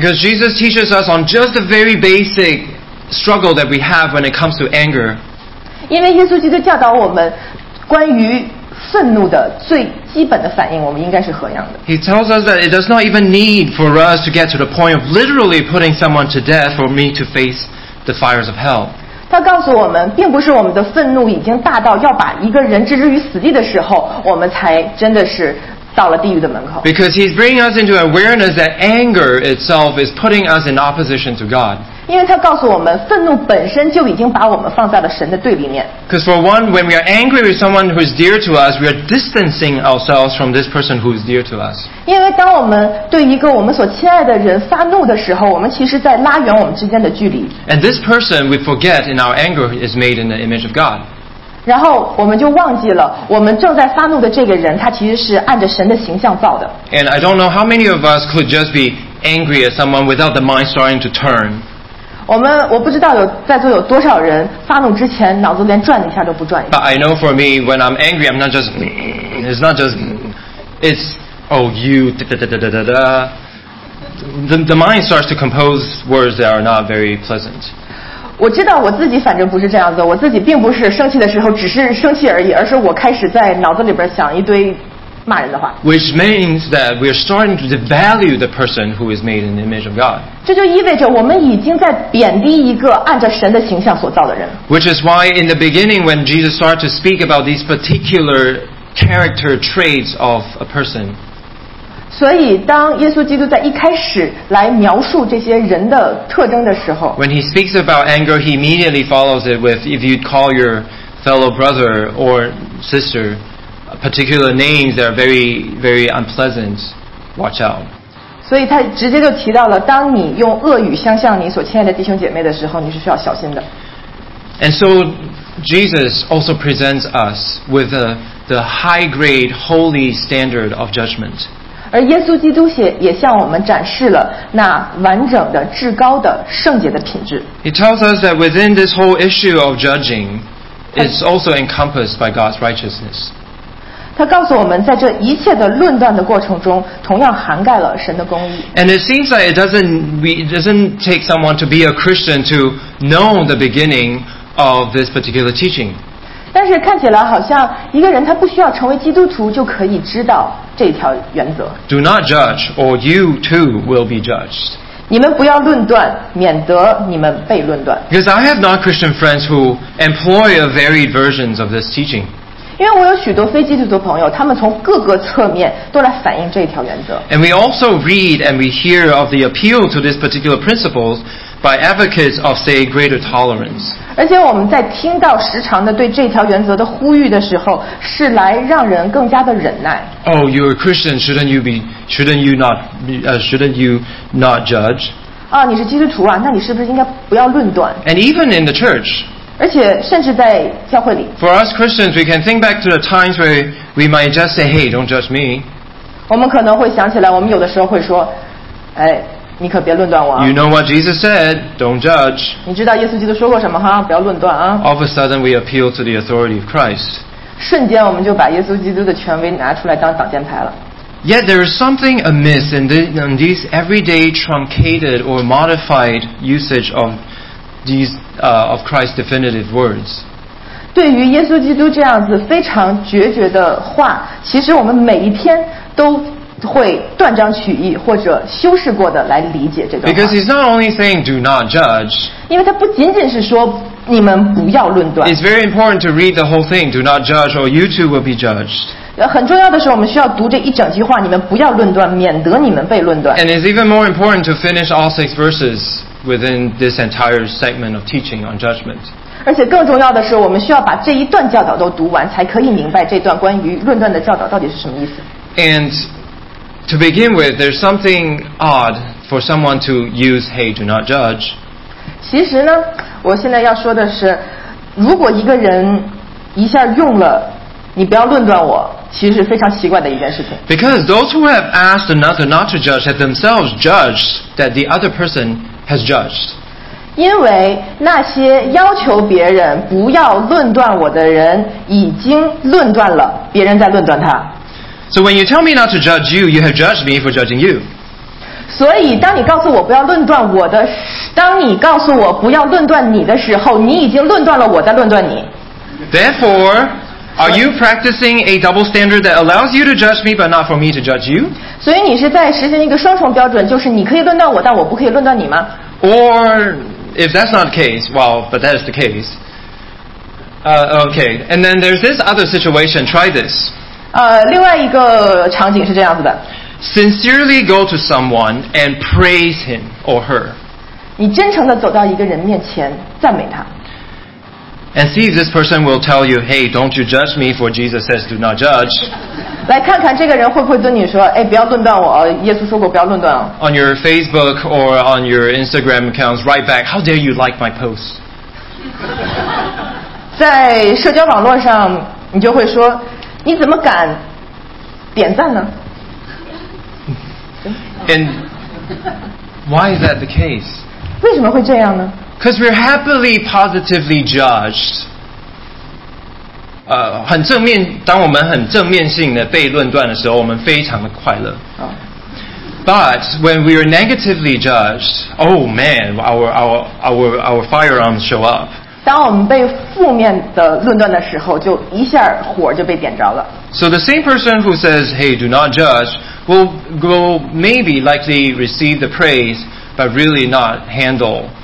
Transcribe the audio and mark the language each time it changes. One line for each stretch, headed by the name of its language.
English: Because Jesus teaches us on just the very basic struggle that we have when it comes to anger.
Chinese: 因为耶稣基督教导我们关于愤怒的最基本的反应，我们应该是何样的。
English: He tells us that it does not even need for us to get to the point of literally putting someone to death for me to face the fires of hell.
Chinese: 他他告诉我们，并不是我们的愤怒已经大到要把一个人置之于死地的时候，我们才真的是到了地狱的门口。
English: Because he's bringing us into awareness that anger itself is putting us in opposition to God.
Chinese: 因为他告诉我们，愤怒本身就已经把我们放在了神的对立面。
English: Because for one, when we are angry with someone who is dear to us, we are distancing ourselves from this person who is dear to us.
Chinese: 因为当我们对一个我们所亲爱的人发怒的时候，我们其实在拉远我们之间的距离。
English: And this person we forget in our anger is made in the image of God.
Chinese: 然后我们就忘记了，我们正在发怒的这个人，他其实是按着神的形象造的。
English: And I don't know how many of us could just be angry at someone without the mind starting to turn.
Chinese: 我不知道有在座有多少人发怒之前脑子连转一下都不转。
English: But I know for me, when I'm angry, I'm not just it's not just it's oh you da da da da da da. The mind starts to compose words that are not very pleasant.
Chinese: 我知道我自己反正不是这样子，我自己并不是生气的时候只是生气而已，而是我开始在脑子里边想一堆骂人的话。
English: Which means that we are starting to devalue the person who is made in the image of God.
Chinese: 这就意味着我们已经在贬低一个按着神的形象所造的人。
English: Which is why in the beginning when Jesus started to speak about these particular character traits of a person.
Chinese: 所以当耶稣基督在一开始来描述这些人的特征的时候
English: When he speaks about anger, he immediately follows it with if you'd call your fellow brother or sister particular names that are very, very unpleasant, watch out.
Chinese: 所以他直接就提到了当你用恶语相向你所亲爱的弟兄姐妹的时候你是需要小心的。
English: And so Jesus also presents us with the high-grade, holy standard of judgment.
Chinese: 而耶稣基督也向我们展示了那完整的、至高的、圣洁的品质。
English: He tells us that within this whole issue of judging, it's also encompassed by God's righteousness.
Chinese: 他告诉我们，在这一切的论断的过程中，同样涵盖了神的公义。
English: And it seems like it doesn't take someone to be a Christian to know the beginning of this particular teaching.
Chinese: 但是看起来好像一个人他不需要成为基督徒就可以知道这条原则。
English: Do not judge, or you too will be judged.
Chinese: 你们不要论断，免得你们被论断。
English: Because I have non-Christian friends who employ a varied versions of this teaching.
Chinese: 因为我有许多非基督徒朋友，他们从各个侧面都来反映这条原则。
English: And we also read and we hear of the appeal to these particular principles. By advocates of, say, greater tolerance.
Chinese: 而且我们在听到时常的对这条原则的呼吁的时候，是来让人更加的忍耐。
English: Oh, you're a Christian. Shouldn't you not judge?
Chinese: 啊，你是基督徒啊，那你是不是应该不要论断
English: ？And even in the church.
Chinese: 而且甚至在教会里。
English: For us Christians, we can think back to the times where we might just say, "Hey, don't judge me."
Chinese: 我们可能会想起来，我们有的时候会说，哎。你可别论断我啊。
English: You know what Jesus said, don't judge.
Chinese: 你知道耶稣基督说过什么哈？不要论断啊。
English: All of a sudden, we appeal to the authority of Christ.
Chinese: 瞬间我们就把耶稣基督的权威拿出来当挡箭牌了。
English: Yet there is something amiss in these everyday truncated or modified usage of these of Christ's definitive words.
Chinese: 对于耶稣基督这样子非常决绝的话，其实我们每一天都。会断章取义或者修饰过的来理解这段话。
English: Because he's not only saying do not judge.
Chinese: 因为他不仅仅是说你们不要论断。
English: It's very important to read the whole thing. Do not judge, or you too will be judged.
Chinese: 很重要的是，我们需要读这一整句话。你们不要论断，免得你们被论断。
English: And it's even more important to finish all six verses within this entire segment of teaching on judgment.
Chinese: 而且更重要的是我们需要把这一段教导都读完才可以明白这段关于论断的教导到底是什么意思
English: And to begin with there's something odd for someone to use hey do not judge
Chinese: 其实呢我现在要说的是如果一个人一下用了你不要论断我其实是非常奇怪的一件事情
English: Because those who have asked another not to judge have themselves judged that the other person has judged
Chinese: 因为那些要求别人不要论断我的人已经论断了别人在论断他
English: So when you tell me not to judge you you have judged me for judging you
Chinese: 所以当你告诉我不要论断我的当你告诉我不要论断你的时候你已经论断了我在论断你
English: Therefore are you practicing a double standard that allows you to judge me but not for me to judge you
Chinese: 所以你是在实行一个双重标准就是你可以论断我但我不可以论断你吗
English: Or if that's not the case, well, but that is the case. Okay, and then there's this other situation. Try this.
Chinese: 另外一个场景是这样子的。
English: Sincerely go to someone and praise him or her.
Chinese: 你真诚地走到一个人面前，赞美他。
English: And see if this person will tell you, "Hey, don't you judge me, for Jesus says, 'Do not judge.'"
Chinese: 来看看这个人会不会对你说，哎，不要论断我，耶稣说过不要论断。
English: On your Facebook or on your Instagram accounts, write back, "How dare you like my posts?"
Chinese: 在社交网络上，你就会说，你怎么敢点赞呢？
English: And why is that the case?
Chinese: 为什么会这样呢？
English: Because we're happily, positively judged.
Chinese: 很正面，当我们很正面性的被论断的时候，我们非常的快乐。
English: But when we are negatively judged, oh man, our firearms show up.
Chinese: 当我们被负面的论断的时候，就一下火就被点着了。
English: So the same person who says, "Hey, do not judge," will maybe likely receive the praise, but really not handle.